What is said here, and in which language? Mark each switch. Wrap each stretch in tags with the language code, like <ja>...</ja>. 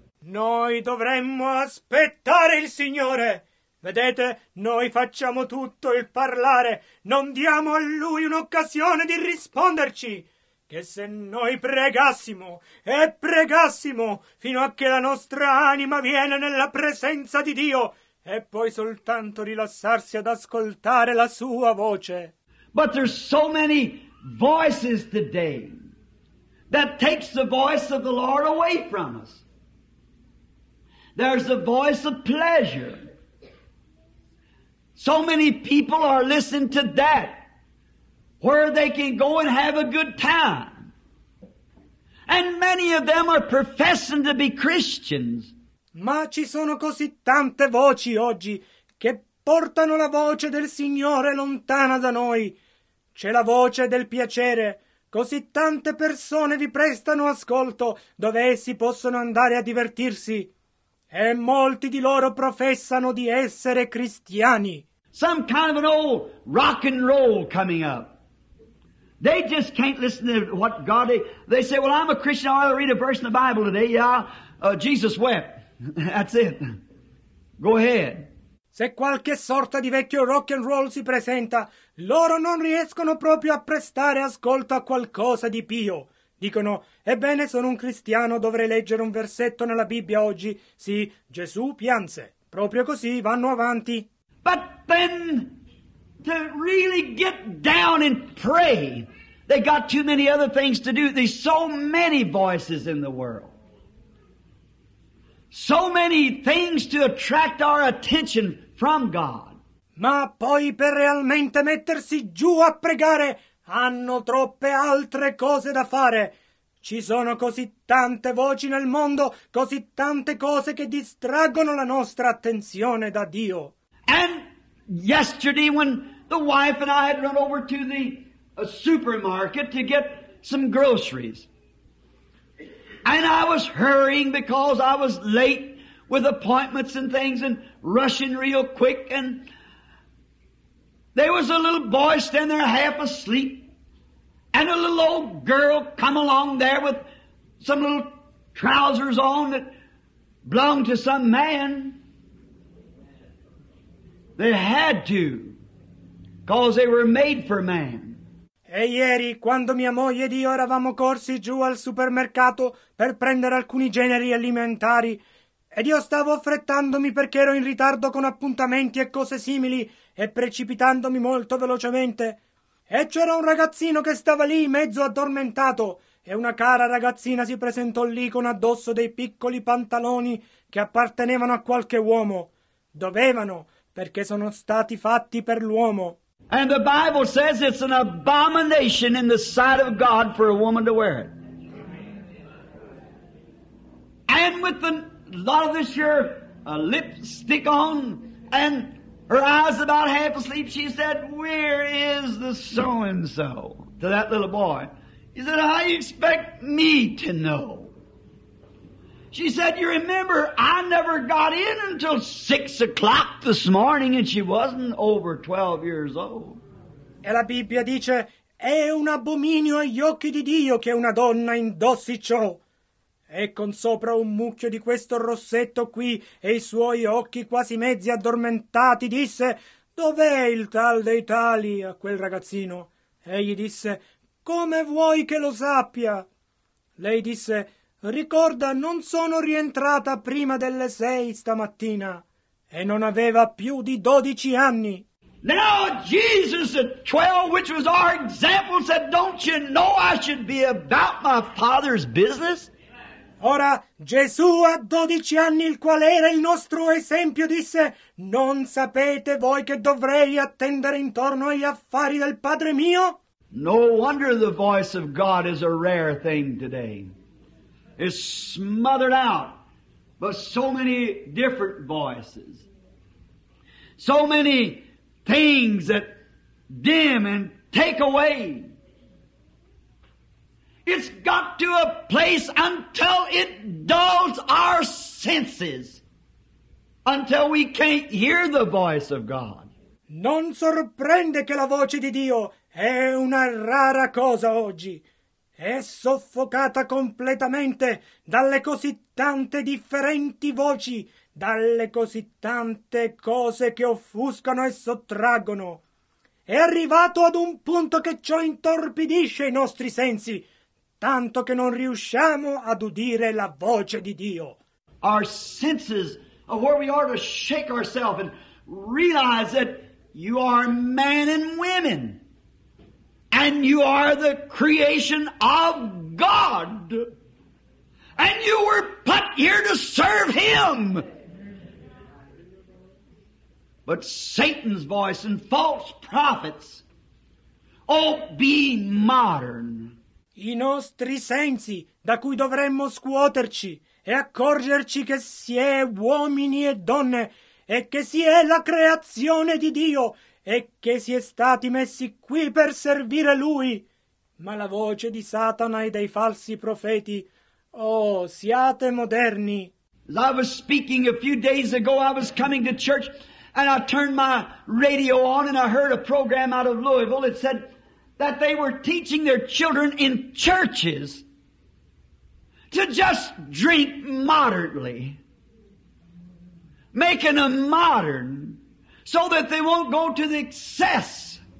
<it>Noi dovremmo aspettare il Signore. Vedete, noi facciamo tutto il parlare, non diamo a Lui un'occasione di risponderci. Che se noi pregassimo e pregassimo fino a che la nostra anima viene nella presenza di Dio e poi soltanto rilassarsi ad ascoltare la Sua voce.</it> <en>But there's so many voices today that takes the voice of the Lord away from us. There's a voice of pleasure. So many people are listening to that, where they can go and have a good time. And many of them are professing to be Christians.</en> <it>Ma ci sono così tante voci oggi che portano la voce del Signore lontana da noi. C'è la voce del piacere. Così tante persone vi prestano ascolto dove essi possono andare a divertirsi. E molti di loro professano di essere cristiani.</it> <en>Some kind of an old rock and roll coming up. They just can't listen to what God... They say, well, I'm a Christian. I'll read a verse in the Bible today. Yeah, Jesus wept. That's it. Go ahead.</en> <it>Se qualche sorta di vecchio rock and roll si presenta, loro non riescono proprio a prestare ascolto a qualcosa di pio. Dicono, ebbene, sono un cristiano, dovrei leggere un versetto nella Bibbia oggi. Sì, Gesù pianse. Proprio così vanno avanti.</it> <en>But then, to really get down and pray, they got too many other things to do. There's so many voices in the world. So many things to attract our attention from God.</en> <it>Ma poi per realmente mettersi giù a pregare, hanno troppe altre cose da fare. Ci sono così tante voci nel mondo, così tante cose che distraggono la nostra attenzione da Dio.</it> <en>And yesterday when the wife and I had run over to the supermarket to get some groceries, and I was hurrying because I was late with appointments and things and rushing real quick, and there was a little boy standing there half asleep, and a little old girl come along there with some little trousers on that belonged to some man. They had to, because they were made for man.</en> <it>E ieri, quando mia moglie ed io eravamo corsi giù al supermercato per prendere alcuni generi alimentari, ed io stavo affrettandomi perché ero in ritardo con appuntamenti e cose simili e precipitandomi molto velocemente, e c'era un ragazzino che stava lì mezzo addormentato, e una cara ragazzina si presentò lì con addosso dei piccoli pantaloni che appartenevano a qualche uomo. Dovevano, perché sono stati fatti per l'uomo.</it> <en>And the Bible says it's an abomination in the sight of God for a woman to wear it. And with a lot of this here lipstick on and her eyes about half asleep, she said, where is the so-and-so, to that little boy? He said, how do you expect me to know? She said, you remember, I never got in until 6 o'clock this morning, and she wasn't over 12 years old.</en> <it>E la Bibbia dice, è un abominio agli occhi di Dio che una donna indossi ciò. E con sopra un mucchio di questo rossetto qui e i suoi occhi quasi mezzi addormentati, disse, dov'è il tal dei tali a quel ragazzino? Egli disse, come vuoi che lo sappia? Lei disse, ricorda, non sono rientrata prima delle 6 stamattina e non aveva più di 12 anni.</it> <en>Now Jesus at 12, which was our example, said, don't you know I should be about my father's business?</en> <it>Ora Gesù a 12 anni, il quale era il nostro esempio, disse, non sapete voi che dovrei attendere intorno agli affari del padre mio?</it> <en>No wonder the voice of God is a rare thing today. Is smothered out by so many different voices. So many things that dim and take away. It's got to a place until it dulls our senses. until we can't hear the voice of God.</en> <it>Non sorprende che la voce di Dio è una rara cosa oggi. È soffocata completamente dalle così tante differenti voci, dalle così tante cose che offuscano e sottraggono. È arrivato ad un punto che ciò intorpidisce i nostri sensi, tanto che non riusciamo ad udire la voce di Dio.</it> <en>Our senses are where we are to shake ourselves and realize that you are men and women. And you are the creation of God. And you were put here to serve Him. But Satan's voice and false prophets, oh, be modern.</en> <it>I nostri sensi, da cui dovremmo scuoterci e accorgerci che si è uomini e donne e che si è la creazione di Dio e che si è stati messi qui per servire Lui. Ma la voce di Satana e dei falsi profeti, oh, siate moderni.</it> <en>As I was speaking a few days ago, I was coming to church and I turned my radio on and I heard a program out of Louisville that said that they were teaching their children in churches to just drink moderately, making them modern, so that they won't go to the excess.</en>